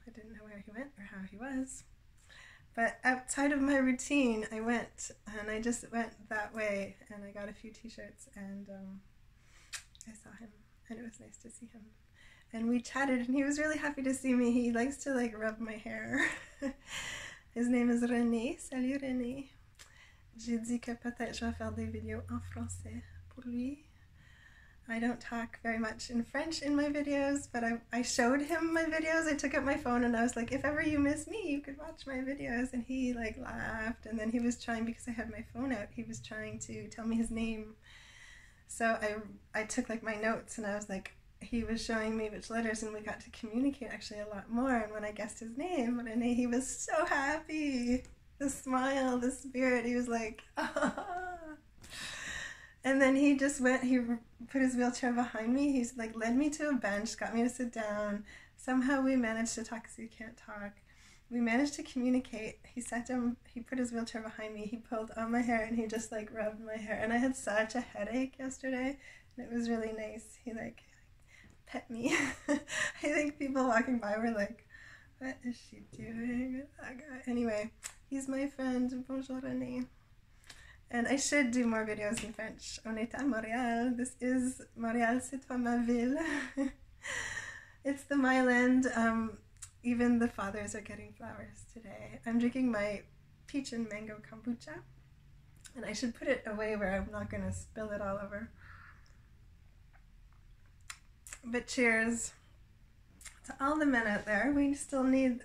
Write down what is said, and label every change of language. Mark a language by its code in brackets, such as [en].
[en] I didn't know where he went or how he was. But outside of my routine, I went, and I just went that way, and I got a few t-shirts, and I saw him. And it was nice to see him. And we chatted, and he was really happy to see me. He likes to like rub my hair. His name is René. [fr] Salut [en] René. [fr] J'ai dit que peut-être je vais faire des vidéos en français pour lui. [en] I don't talk very much in French in my videos, but I showed him my videos. I took out my phone and I was like, if ever you miss me, you could watch my videos. And he like laughed, and then he was trying, because I had my phone out, he was trying to tell me his name. So I took like my notes, and I was like, he was showing me which letters, and we got to communicate actually a lot more. And when I guessed his name, Renee, he was so happy. The smile, the spirit, he was like, ah. And then he just went, he put his wheelchair behind me. He's like led me to a bench, got me to sit down. Somehow we managed to talk, because you can't talk. We managed to communicate. He sat down, he put his wheelchair behind me, he pulled on my hair, and he just like rubbed my hair. And I had such a headache yesterday, and it was really nice. He like pet me. I think people walking by were like, what is she doing with that guy? Anyway, he's my friend. [fr] Bonjour, [en] Renee. And I should do more videos in French. [fr] On est à Montréal. [en] This is Montréal, [fr] c'est toi ma ville. [en] It's the my land. Even the fathers are getting flowers today. I'm drinking my peach and mango kombucha, and I should put it away where I'm not gonna spill it all over. But cheers to all the men out there. We still need.